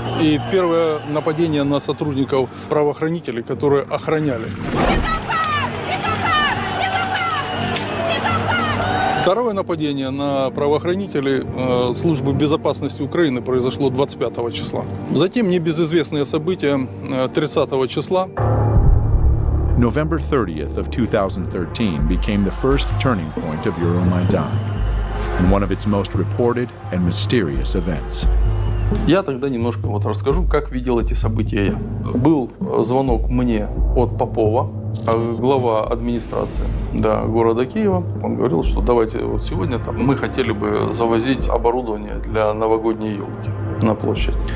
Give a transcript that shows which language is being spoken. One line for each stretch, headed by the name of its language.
Russian: И первое нападение на сотрудников правоохранителей, которые охраняли. Второе нападение на правоохранителей службы безопасности Украины произошло 25 числа. Затем небезызвестные события 30 числа.
English: November 30th of 2013 became the first turning point of Euromaidan. And one of its most reported and mysterious events.
Russian: Я тогда немножко вот расскажу, как видел эти события я. Был звонок мне от Попова, глава администрации, да, города Киева. Он говорил, что давайте вот сегодня там мы хотели бы завозить оборудование для новогодней елки на площадь.